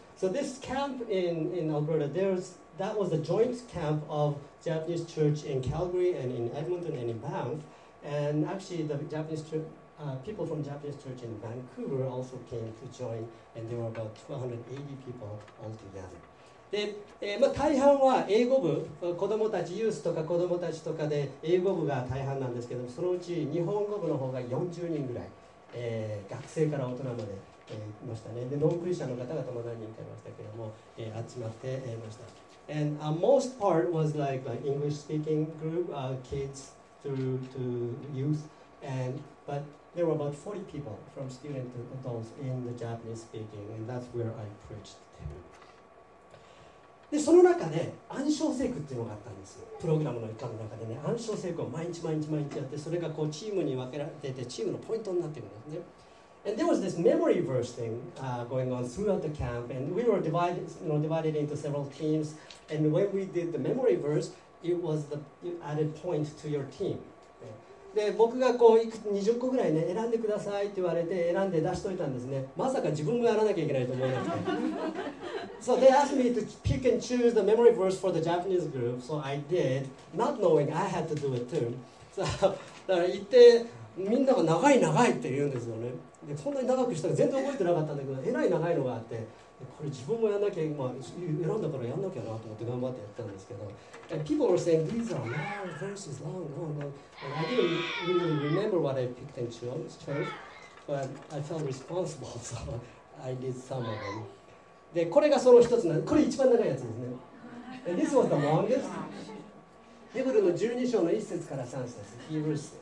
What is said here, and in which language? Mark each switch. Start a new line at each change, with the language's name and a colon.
English: So this camp in Alberta, that was a joint camp of Japanese church in Calgary and in Edmonton and in Banff, and actually the Japanese churchpeople from Japanese church in Vancouver also came to join, and there were about 280 people altogether.
Japanese: で、まあ、大半は英語部、子供たち、ユースとか子供たちとかで英語部が大半なんですけど、そのうち日本語部の方が40人ぐらい、学生から大人まで、いましたね。で、ノンクリスチャンの方々も何人かいましたけども、集まって、いました。
English: And a most part was like an English-speaking group, kids through to youth, andBut there were about 40 people from students to adults in the Japanese speaking, and that's where I preached to.
Japanese: で、その中で暗唱聖句っていうのがあったんですよ。プログラムの一環の中でね、暗唱聖句を毎日毎日毎日やって、それがこうチームに分けられてて、チームのポイントになってるんですね。
English: And there was this memory verse thing、going on throughout the camp, and we were divided into several teams, and when we did the memory verse, it was the added point to your team.
Japanese: で、僕がこう20個ぐらいね、選んでくださいって言われて、選んで出しといたんですね。まさか自分もやらなきゃいけないと思わなくて。
English: So they asked me to pick and choose the memory verse for the Japanese group, so I did, not knowing I had to do it too.
Japanese: So, だから言って、みんなが長い長いって言うんですよね。で、こんなに長くしたら全然覚えてなかったんだけど、えらい長いのがあって、これ自分もやんなきゃ、まあ、選んだからやんなきゃなと思って頑張ってやったんですけど、
English: And people were saying these are long verses, long, long, long, and I didn't really remember what I picked and chose, but I felt responsible, so I did some of them.
Japanese: で、これがその一つなんです。これ一番長いやつですね。
English: And this was the longest.
Japanese: ヘブルの12章の1節から3節です。